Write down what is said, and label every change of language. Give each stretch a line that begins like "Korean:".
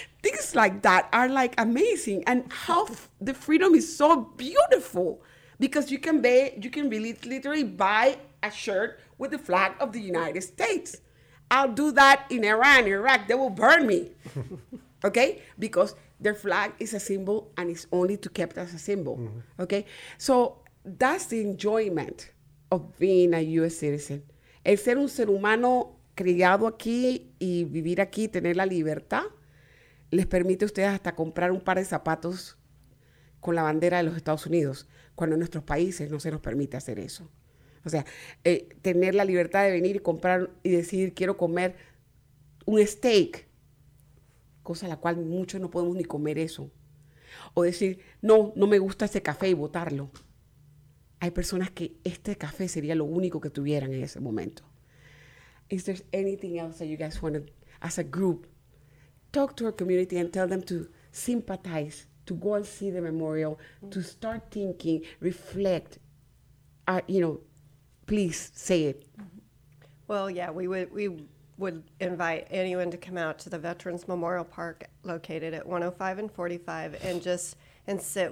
English: Things like that are like amazing. And how the freedom is so beautiful because you can really literally buy a shirt with the flag of the United States. I'll do that in Iran, Iraq. They will burn me. Okay? Because their flag is a symbol and it's only to kept as a symbol. Mm-hmm. Okay? So that's the enjoyment of being a U.S. citizen.
Spanish: El ser un ser humano criado aquí y vivir aquí, tener la libertad, les permite a ustedes hasta comprar un par de zapatos con la bandera de los Estados Unidos, cuando en nuestros países no se nos permite hacer eso. O sea, tener la libertad de venir y comprar y decir, quiero comer un steak, cosa a la cual muchos no podemos ni comer eso. O decir, no me gusta ese café y botarlo. Hay personas que este café sería lo único que tuvieran en ese momento.
English: Is there anything else that you guys want to, as a group, talk to our community and tell them to sympathize, to go and see the memorial, to start thinking, reflect, you know, please say it. Well, yeah, we would invite anyone to come out to the Veterans Memorial Park located at 105 and 45 and sit.